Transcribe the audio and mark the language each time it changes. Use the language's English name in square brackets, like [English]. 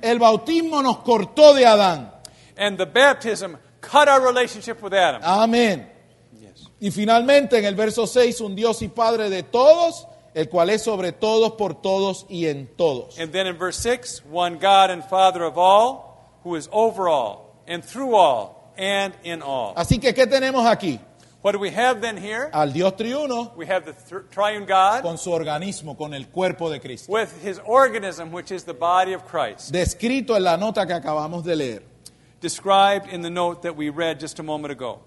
[Spanish] El bautismo nos cortó de Adán. [English] And the baptism cut our relationship with Adam. [Spanish] Amén. [English] Yes. [Spanish] Y finalmente en el verso 6, un Dios y Padre de todos, el cual es sobre todos, por todos y en todos. [English] And then in verse 6, one God and Father of all, who is over all, and through all, and in all. [Spanish] Así que, ¿qué tenemos aquí? [English] What do we have then here? [Spanish] Al Dios triuno. [English] We have the triune God. [Spanish] Con su organismo, con el cuerpo de Cristo. [English] With his organism, which is the body of Christ. [Spanish] Descrito en la nota que acabamos de leer. [English] Described in the note that we read just a moment ago.